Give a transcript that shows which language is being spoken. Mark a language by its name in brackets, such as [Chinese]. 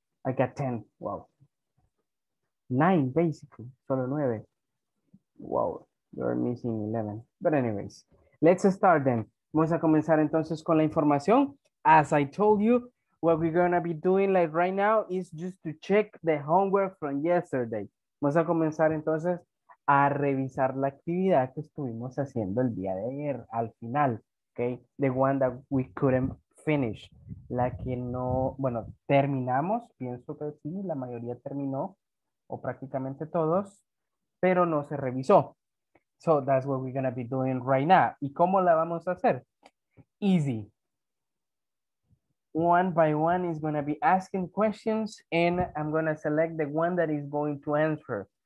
[English] I got 10. Wow. 9, basically, solo 9. Wow, you're missing 11. But anyways, Let's start then. [Spanish] Vamos a comenzar entonces con la información. [English] As I told you, what we're going to be doing like right now is just to check the homework from yesterday. [Spanish] Vamos a comenzar entonces a revisar la actividad que estuvimos haciendo el día de ayer, al final, okay? [English] The one that we couldn't finish. [Spanish] La que no, bueno, terminamos, pienso que sí, la mayoría terminó, o prácticamente todos, pero no se revisó. [English] So that's what we're going to be doing right now. [Spanish] ¿Y cómo la vamos a hacer? [English] Easy. One by one is going to be asking questions and I'm going to select the one that is going to answer.